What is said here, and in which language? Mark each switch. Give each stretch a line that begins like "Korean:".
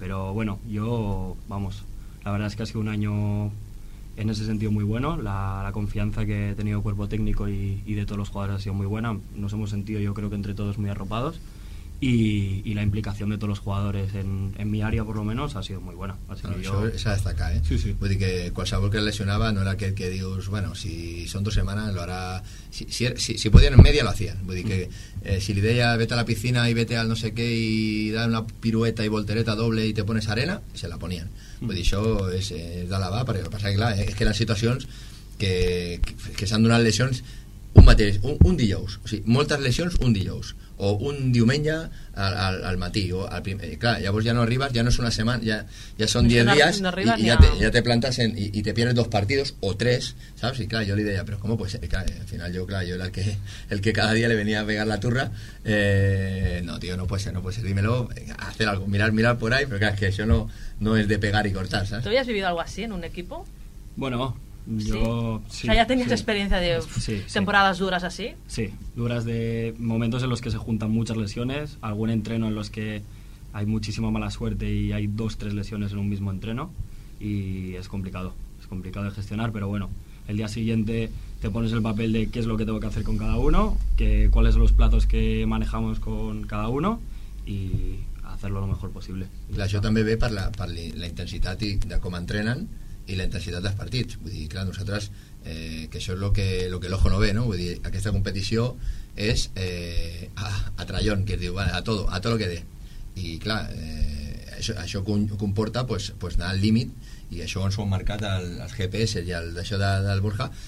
Spanish: Pero bueno, la verdad es que ha sido un año en ese sentido muy bueno. La confianza que he tenido el cuerpo técnico y de todos los jugadores ha sido muy buena. Nos hemos sentido, yo creo que entre todos, muy arropados, y la implicación de todos los jugadores en mi área, por lo menos, ha sido muy buena. Esa destaca, ¿eh? Sí, sí.
Catalan: Vull dir que qualsevol que lesionava no era aquel que dius, bueno, si són dues setmanes lo harà...
Spanish: Si podien en media lo hacían.
Catalan: Vull dir que si li deia
Spanish: vete a la piscina y vete al no sé qué y da una pirueta y voltereta doble y te pones arena, se la ponían.
Catalan: Vull dir, això és d'alabar, però el que passa és que, clar, és que eren situacions que s'han donat lesions un mateix, un dijous. O sigui, moltes lesions un dijous. O un diumenge al matí o al primer, clar, llavors ja no arribes, ja no és una setmana, ja són 10 dies ja te plantes i
Spanish: te pierdes dos partidos o tres,
Catalan: saps? I clar, jo li deia, però com pot ser? Clar, al final jo era el que cada dia li venia a pegar la turra. No, tio, no pot ser,
Spanish: dímelo, hacer algo, mirar por ahí,
Catalan: però clar, que això no és de pegar i cortar, saps?
Spanish: ¿Tú habías vivido algo así en un equipo? Bueno, yo sí. O sea, ya tenías experiencia de temporadas duras así. Sí, duras, de momentos en los que se juntan muchas lesiones, algún entreno en los que hay muchísima mala suerte y hay dos, tres lesiones en un mismo entreno, y es complicado de gestionar, pero bueno, el día siguiente te pones el papel de qué es lo que tengo que hacer con cada uno, cuáles son los plazos que manejamos con cada uno y hacerlo lo mejor posible. Claro, yo también veo para la intensidad y de cómo entrenan
Catalan: i la intensitat dels partits. Vull dir, clar, nosaltres, que això és el que
Spanish: l'ojo no ve,
Catalan: no? Vull dir, aquesta competició és a trallón, que es diu, vale, a tot el que dé. I clar, això comporta pues anar al límit, i això ens ho han marcat els GPS i d'això del Borja.